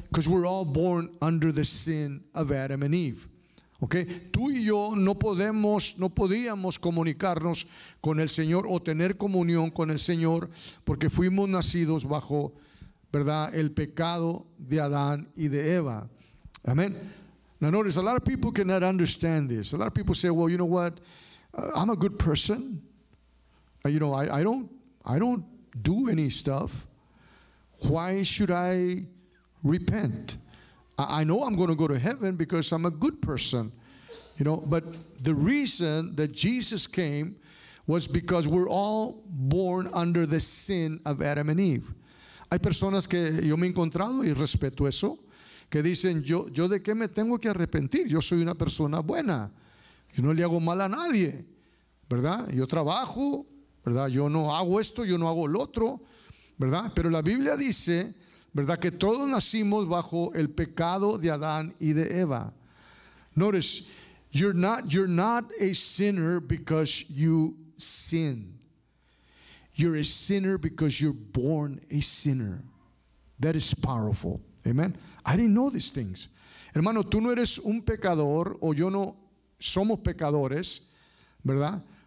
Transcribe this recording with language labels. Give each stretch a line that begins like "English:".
English: Because we're all born under the sin of Adam and Eve. Okay?
Spanish: Tú y yo no podíamos comunicarnos con el Señor o tener comunión con el Señor porque fuimos nacidos bajo, ¿verdad?, el pecado de Adán y de Eva.
English: Amen. Now notice, a lot of people cannot understand this. A lot of people say, well, you know what? I'm a good person. You know, I don't do any stuff. Why should I repent? I know I'm going to go to heaven because I'm a good person. You know, but the reason that Jesus came was because we're all born under the sin of Adam and Eve.
Spanish: Hay personas que yo me he encontrado y respeto eso, que dicen, yo de qué me tengo que arrepentir? Yo soy una persona buena. Yo no le hago mal a nadie, ¿verdad? Yo trabajo, ¿verdad? Yo no hago esto, yo no hago lo otro, ¿verdad? Pero la Biblia dice, ¿verdad?, que todos nacimos bajo el pecado de Adán y de Eva.
English: Notice, you're not a sinner because you sin. You're a sinner because you're born a sinner. That is powerful. Amen. I didn't know these things.
Spanish: Hermano, tú no eres un pecador, o yo no somos pecadores, ¿verdad?